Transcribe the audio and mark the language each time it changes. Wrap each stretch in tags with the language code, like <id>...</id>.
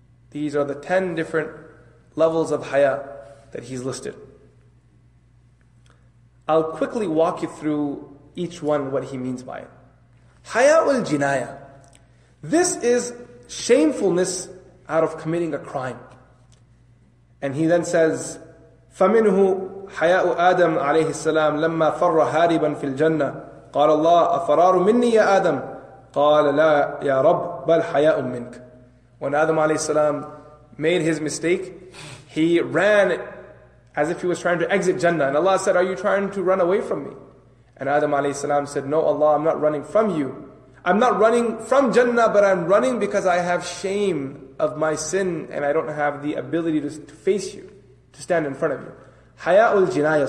<en>These are the 10 different levels of haya that he's listed. I'll quickly walk you through each one, what he means by it. Haya'ul jinaya. This is shamefulness out of committing a crime. And he then says,</en> <ar>فَمِنْهُ حَيَاءُ آدَمْ عَلَيْهِ السَّلَامُ لَمَّا فَرَّ هَارِبًا فِي الْجَنَّةِ قَالَ اللَّهُ أَفَرَارُ مِنِّي يَا آدَمُ قَالَ لَا يَا رَبْ بَلْ حَيَاءٌ مِنْكَ.</ar> <en>When Adam alayhi salam made his mistake, he ran as if he was trying to exit Jannah. And Allah said, are you trying to run away from me? And Adam alayhi salam said, no Allah, I'm not running from you. I'm not running from Jannah, but I'm running because I have shame of my sin and I don't have the ability to face you, to stand in front of you. Haya'ul jinaya.</en>